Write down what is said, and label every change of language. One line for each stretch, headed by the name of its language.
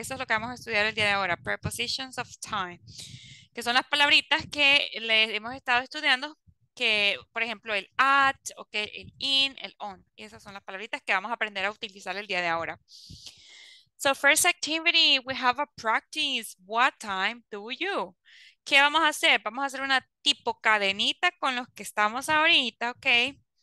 Spanish: Eso es lo que vamos a estudiar el día de ahora, prepositions of time, que son las palabritas que les hemos estado estudiando, que por ejemplo el at, okay, el in, el on, y esas son las palabritas que vamos a aprender a utilizar el día de ahora.
English: So first activity, we have a practice, what time do you?
Spanish: ¿Qué vamos a hacer? Vamos a hacer una tipo cadenita con los que estamos ahorita, ok.